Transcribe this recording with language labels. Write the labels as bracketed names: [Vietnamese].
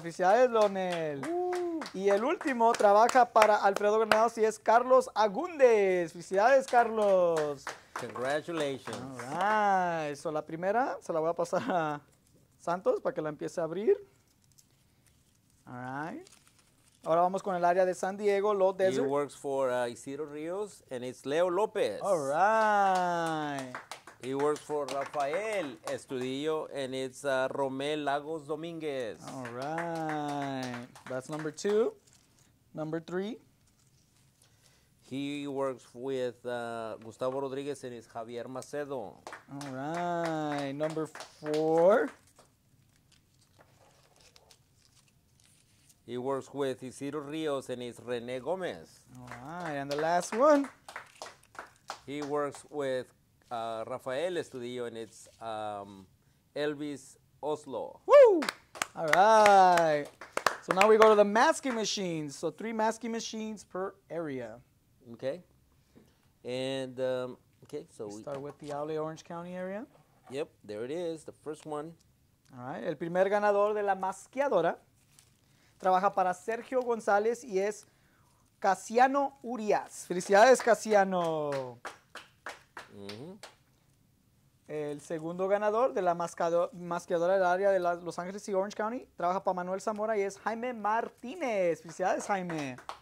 [Spanish] ¡Felicidades, Leonel! Y el último trabaja para Alfredo Granadas y es Carlos Agúndez. ¡Felicidades, Carlos! [English] Congratulations. All right. [Spanish] So la primera se la voy a pasar a Santos para que la empiece a abrir. [English] All right. [Spanish] Ahora vamos con el área de San Diego, Low Desert. [English] He works for Isidro Rios, and it's Leo López. All right. He works for Rafael Estudillo, and it's Romel Lagos Domínguez. All right. That's number two. Number three. He works with Gustavo Rodriguez and is Javier Macedo. All right. Number four. He works with Isidro Rios and is René Gómez. All right. And the last one. He works with Rafael Estudillo and it's Elvis Oslo. Woo! All right. So now we go to the masking machines. So three masking machines per area. Okay. And, okay, so we start with the Ale Orange County area. Yep, there it is, the first one. All right. [Spanish] El primer ganador de la masqueadora trabaja para Sergio González y es Casiano Urias. Felicidades, Casiano. Mm-hmm. El segundo ganador de la masqueadora del área de Los Ángeles y Orange County trabaja para Manuel Zamora y es Jaime Martínez. Felicidades, Jaime.